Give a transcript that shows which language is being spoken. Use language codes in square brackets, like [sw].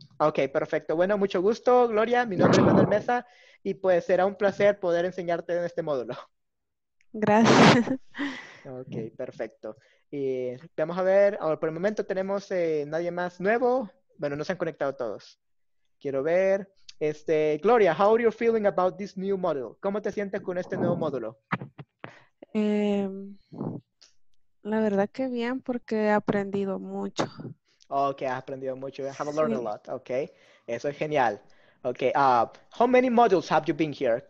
[es] Ok, perfecto. Bueno, mucho gusto, Gloria. Mi nombre es Manuel Mesa y pues será un placer poder enseñarte en este módulo. Gracias. Ok, perfecto. Y vamos a ver, ahora por el momento tenemos nadie más nuevo. Bueno, no se han conectado todos. Quiero ver. [en] Gloria, how are you feeling about this new module? [es] ¿Cómo te sientes con este nuevo módulo? La verdad que bien, porque he aprendido mucho. Okay, has aprendido mucho. [en] I have learned a lot. [es] Okay, eso es genial. [en] Okay, how many modules have you been here?